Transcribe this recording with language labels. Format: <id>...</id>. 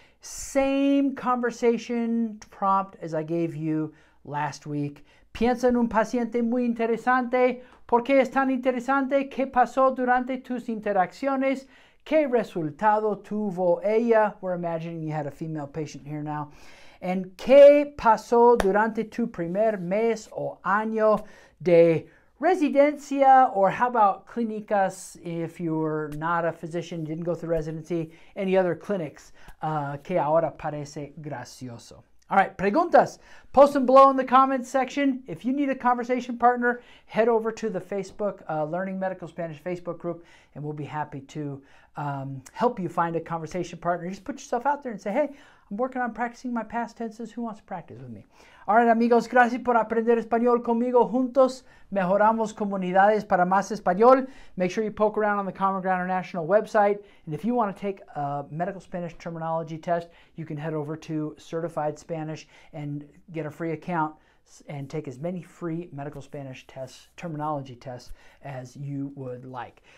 <en>Same conversation prompt as I gave you last week.</en> <es>Piensa en un paciente muy interesante. ¿Por qué es tan interesante? ¿Qué pasó durante tus interacciones? ¿Qué resultado tuvo ella?</es> <en>We're imagining you had a female patient here now.</en> <es>¿En qué pasó durante tu primer mes o año de residencia?</es> <en>Or how about clínicas, if you were not a physician, didn't go through residency, any other clinics, que ahora parece gracioso. All right, preguntas. Post them below in the comments section. If you need a conversation partner, head over to the Facebook, Learning Medical Spanish Facebook group, and we'll be happy to help you find a conversation partner. Just put yourself out there and say, hey, I'm working on practicing my past tenses. Who wants to practice with me?</en> <es>All right, amigos, gracias por aprender español conmigo. Juntos mejoramos comunidades para más español.</es> <en>Make sure you poke around on the Common Ground International website. And if you want to take a medical Spanish terminology test, you can head over to Certified Spanish and get a free account and take as many free medical Spanish tests, terminology tests, as you would like.</en>